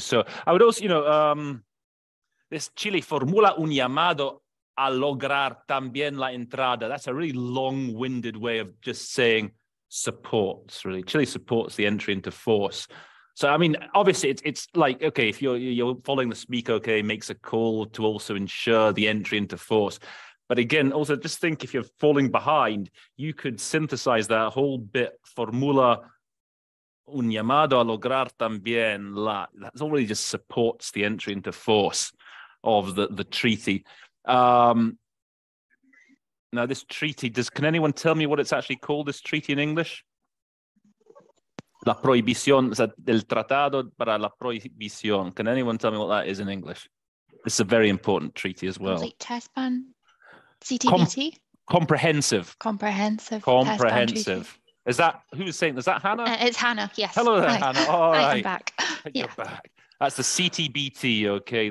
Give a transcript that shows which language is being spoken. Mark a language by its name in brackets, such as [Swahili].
[English] So I would also, this [Spanish] Chile formula un llamado a lograr también la entrada. [English] That's a really long-winded way of just saying supports, really. Chile supports the entry into force. So, I mean, obviously, it's like, okay, if you're following the speaker, okay, makes a call to also ensure the entry into force. But again, also just think, if you're falling behind, you could synthesize that whole bit, [Spanish] formula un llamado a lograr también la. [English] That already just supports the entry into force of the treaty. Now, this treaty, can anyone tell me what it's actually called, this treaty in English? [Spanish] La prohibición, o sea, el tratado para la prohibición. [English] Can anyone tell me what that is in English? It's a very important treaty as well. Complete test ban? CTBT? Comprehensive. Comprehensive. Is that, who's saying, is that Hannah? It's Hannah, yes. Hello there, hi. Hannah. All right. Hi, I'm back. You're back. That's the CTBT, okay?